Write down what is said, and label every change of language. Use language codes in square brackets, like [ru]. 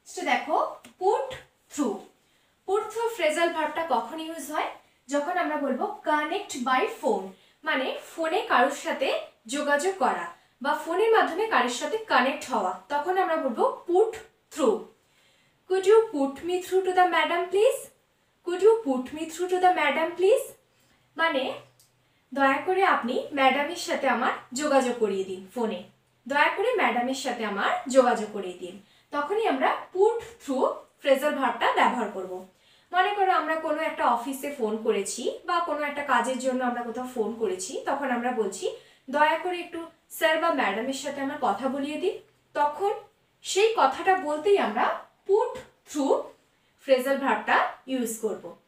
[bn] দেখো, put through phrasal ভার্বটা কখন use হয়, যখন আমরা বলবো [en] connect by phone, [bn] মানে ফোনে কারোর সাথে যোগাযোগ করা বা ফোনের মাধ্যমে কারোর সাথে কানেক্ট হওয়া, তখন আমরা বলবো put through. [en] Could you put me through to the madam please? Could you put me through to the madam please? [bn] মানে দয়া করে আপনি ম্যাডামের সাথে আমার যোগাযোগ করিয়ে দিন ফোনে, দয়া করে ম্যাডামের সাথে আমার যোগাযোগ করিয়ে দিন, তখনই আমরা পুট থ্রু ফ্রেজাল ভার্বটা ব্যবহার করব। মনে করো আমরা কোনো একটা অফিসে ফোন করেছি বা কোনো একটা কাজের জন্য আমরা কোথাও ফোন করেছি, তখন আমরা বলছি দয়া করে একটু স্যার বা ম্যাডামের সাথে আমার কথা বলিয়ে দিন, তখন সেই কথাটা বলতেই আমরা পুট থ্রু ফ্রেজাল ভার্বটা ইউজ করব।